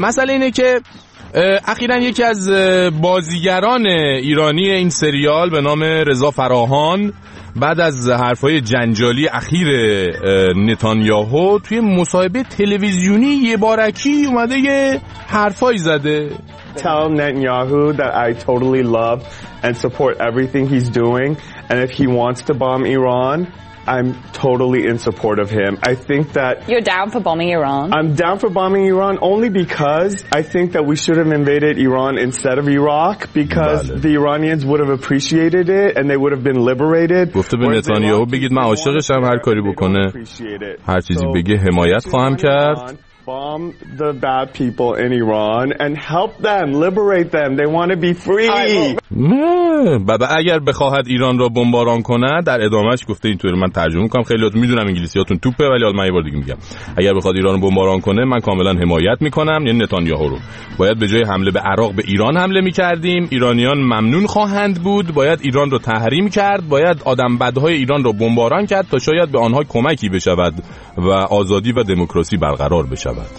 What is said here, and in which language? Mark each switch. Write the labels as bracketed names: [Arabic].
[Persian] مسئله اینه که اخیراً یکی از بازیگران ایرانی این سریال به نام رضا فراهان بعد از حرفای جنجالی اخیر نتانیاهو توی مصاحبه تلویزیونی یه بارکی اومده یه حرفای زده. [English] Tell Netanyahu that I totally love and support everything he's doing and if he wants to bomb Iran I'm totally in support of him. I think that you're down for bombing Iran. I'm down for bombing Iran only because I think that we should have invaded Iran instead of Iraq because [Persian] بله. [English] The Iranians would have appreciated it and they would have been liberated. [Persian] گفته به نتانیاهو بگید من عاشقش هم، هر کاری بکنه، هر چیزی بگه حمایت خواهم کرد. [English] Bomb the bad people in Iran and help them liberate them. They want to be free. [Persian] بابا اگر بخواهد ایران را بمباران کند، در ادامهش گفته اینطور، من ترجمه میکنم، خیلیاتون میدونم انگلیسیاتون توپه ولی حالا من یه بار دیگه میگم، اگر بخواهد ایران را بمباران کنه من کاملا حمایت میکنم، یعنی نتانیاهو رو. باید به جای حمله به عراق به ایران حمله میکردیم، ایرانیان ممنون خواهند بود، باید ایران را تحریم کرد، باید آدم بدهای ایران را بمباران کرد تا شاید به آنها کمکی بشود و آزادی و دموکراسی برقرار بشود.